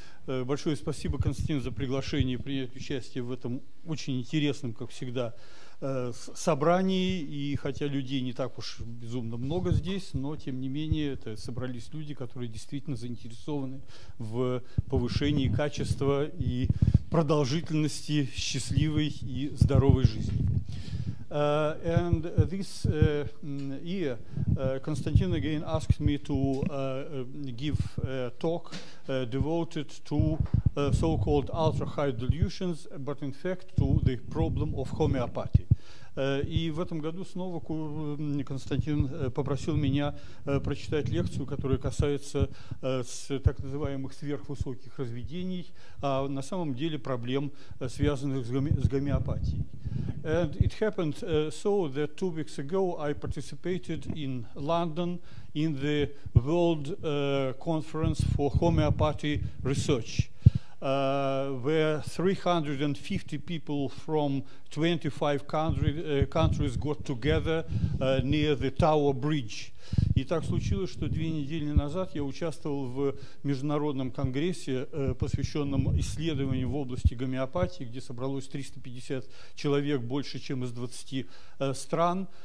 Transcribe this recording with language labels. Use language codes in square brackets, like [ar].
[ru] Большое спасибо, Константин, за приглашение принять участие в этом очень интересном, как всегда, собрании. И хотя людей не так уж безумно много здесь, но тем не менее это собрались люди, которые действительно заинтересованы в повышении качества и продолжительности счастливой и здоровой жизни. [en] And this year, Konstantin again asked me to give a talk devoted to so-called ultra-high dilutions, but in fact to the problem of homeopathy. [ru] И в этом году снова Константин попросил меня прочитать лекцию, которая касается так называемых сверхвысоких разведений, а на самом деле проблем, связанных с гомеопатией. [en] And it happened so that 2 weeks ago I participated in London in the World Conference for Homeopathy Research. Where 350 people from 25 countries got together near the Tower Bridge. [ru] И так случилось, что две недели назад я участвовал в международном конгрессе, посвященном исследованию в области гомеопатии, где собралось 350 человек, больше, чем из 20 стран.